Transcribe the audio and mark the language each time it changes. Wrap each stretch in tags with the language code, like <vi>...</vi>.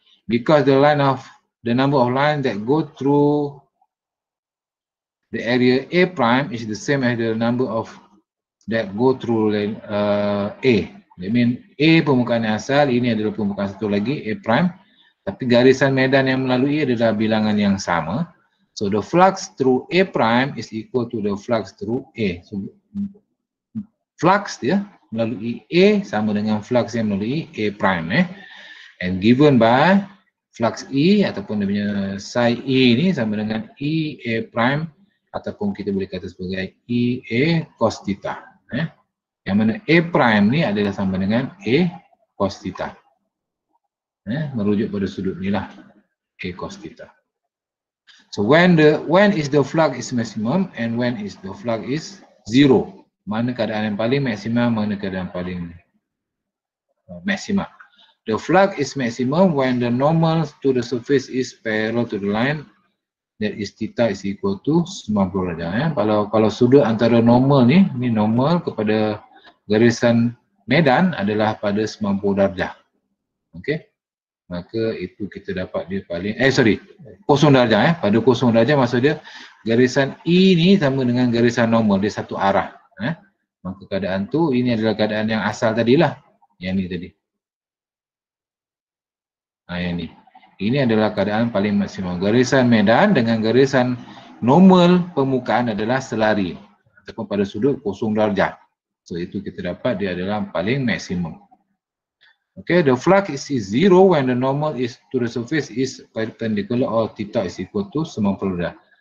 <en>Because the number of line that go through the area A prime is the same as the number of that go through A. That mean</en> <ms>A permukaan yang asal, ini adalah permukaan satu lagi A prime. Tapi garisan medan yang melalui adalah bilangan yang sama.</ms> <en>So the flux through A prime is equal to the flux through A.</en> <ms>So flux dia melalui A sama dengan flux yang melalui A prime, eh.</ms> <en>And given by</en> <ms>flux E ataupun dia punya psi E ni sama dengan E A prime, ataupun kita boleh kata sebagai E A cos theta, eh. Yang mana A prime ni adalah sama dengan A cos theta, eh. Merujuk pada sudut ni lah A cos theta.</ms> <en>So when is the flux is maximum and when is the flux is zero?</en> <ms>Mana keadaan yang paling maksimum, mana keadaan paling maksimum.</ms> <en>The flux is maximum when the normal to the surface is parallel to the line, that is theta is equal to 90 darjah.</en> <ms>Ya. Kalau sudut antara normal ni, ni normal kepada garisan medan adalah pada 90 darjah. Okay. Maka itu kita dapat dia paling, kosong darjah. Ya. Pada kosong darjah maksud dia garisan E ni sama dengan garisan normal, dia satu arah. Eh? Maka keadaan tu, ini adalah keadaan yang asal tadilah, yang ni tadi. Nah, yang ni. Ini adalah keadaan paling maksimum. Garisan medan dengan garisan normal permukaan adalah selari. Ataupun pada sudut kosong darjah. So, itu kita dapat dia adalah paling maksimum.</ms> <en>Okay, the flux is zero when the normal is to the surface is perpendicular or theta is equal to 90 darjah.</en>